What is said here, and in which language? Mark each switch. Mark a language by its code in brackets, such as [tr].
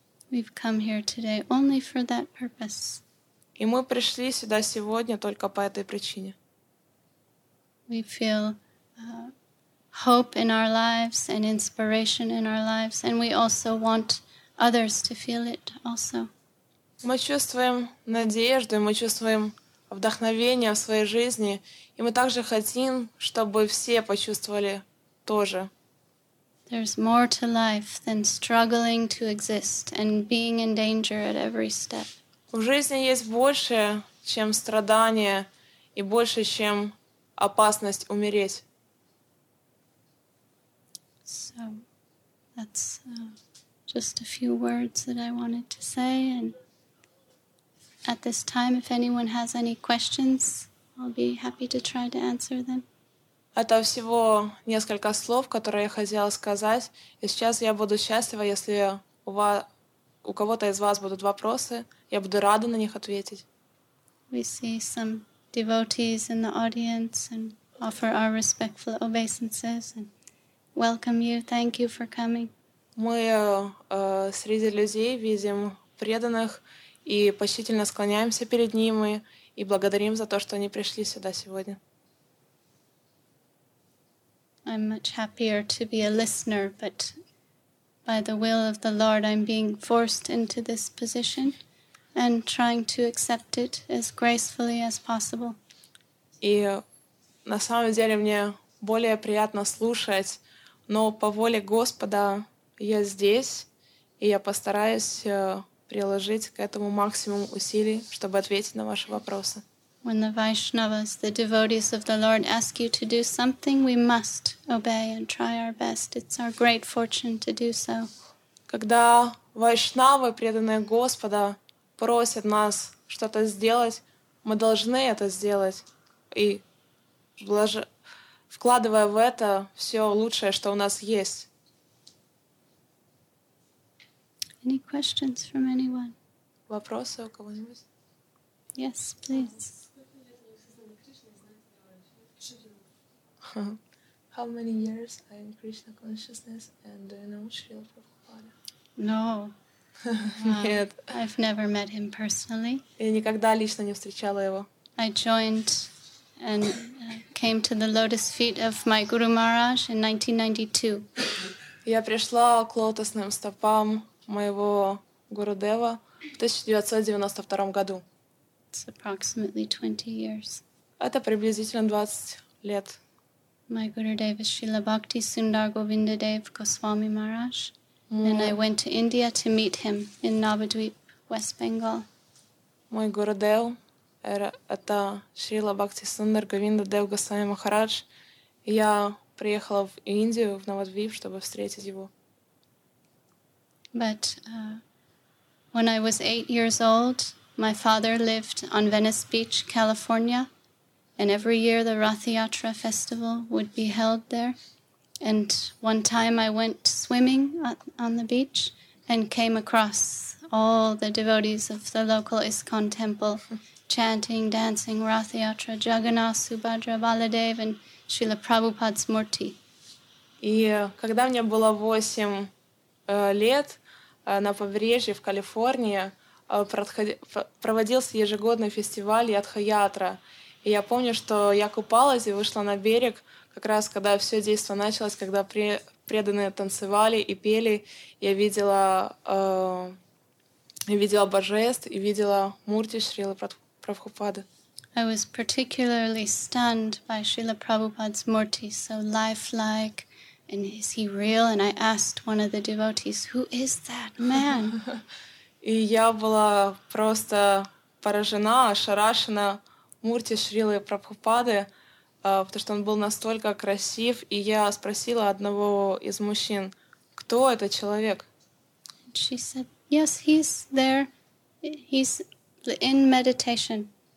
[en] We've come here today only for that purpose. [ru] И мы пришли сюда сегодня только по этой причине. [en] We feel hope in our lives and inspiration in our lives, and we also want others to feel it also. [ru] Мы чувствуем надежду, мы чувствуем вдохновение в своей жизни, и мы также хотим, чтобы все почувствовали тоже. [en] There's more to life than struggling to exist and being in danger at every step. [ru] В жизни есть больше, чем страдания, и больше, чем опасность умереть. [en] So that's just a few words that I wanted to say. And at this time, if anyone has any questions, I'll be happy to try to answer them. [ru] Это всего несколько слов, которые я хотела сказать. И сейчас я буду счастлива, если у кого-то из вас будут вопросы, я буду рада на них ответить. [en] We see some devotees in the audience and offer our respectful obeisances and welcome you. Thank you for coming. [ru] Мы среди людей видим преданных и почтительно склоняемся перед ними и благодарим за то, что они пришли сюда сегодня. [en] I'm much happier to be a listener, but by the will of the Lord, I'm being forced into this position and trying to accept it as gracefully as possible. [ru] И на самом деле мне более приятно слушать, но по воле Господа я здесь, и я постараюсь приложить к этому максимум усилий, чтобы ответить на ваши вопросы. [en] When the Vaishnavas, the devotees of the Lord, ask you to do something, we must obey and try our best. It's our great fortune to do so. [ru] Когда вайшнавы, преданные Господа, просят нас что-то сделать, мы должны это сделать, и вкладывая в это все лучшее, что у нас есть. [en] Any questions from anyone? [ru] Вопросы у кого-нибудь? [en] Yes, please. How many years are you in Krishna consciousness and do you know Srila Prabhupada? No. [ru] Нет. [en] I've never met him personally. [ru] Я никогда лично не встречала его. [en] I joined and came to the lotus feet of my Guru Maharaj in 1992. [ru] Я пришла к лотосным стопам моего Гурудева в 1992 году. [en] It's approximately 20 years. [ru] Это приблизительно 20 лет. [en] My Gurudev is Srila Bhakti Sundar Govindadev Goswami Maharaj. And I went to India to meet him in Navadvip, West Bengal. [ru] Мой Гурудев это Srila Bhakti Sundar Govindadev Goswami Maharaj. Я приехала в Индию, в Навадвип, чтобы встретить его. [en] But when I was 8 years old, my father lived on Venice Beach, California, And every year the Rath Yatra festival would be held there. And one time I went swimming on the beach and came across all the devotees of the local ISKCON temple chanting, dancing Rath Yatra, Jagannath, Subhadra, Baladev, and Srila Prabhupada's Murti. [ru] И когда мне было 8 лет, на побережье в Калифорнии проводился ежегодный фестиваль Ятха-Ятра. И я помню, что я купалась и вышла на берег, как раз когда все действо началось, когда преданные танцевали и пели, я видела божеств и видела Мурти Шрилы Прабхупады. [en] I was particularly stunned by Srila Prabhupada's Murti, so lifelike. And is he real? And I asked one of the devotees, who is that man? [ru] И я была просто поражена, ошарашена Мурти Шрилы Прабхупады, потому что он был настолько красив. И я спросила одного из мужчин, кто этот человек? [en] And she said, yes, he's there. He's in meditation.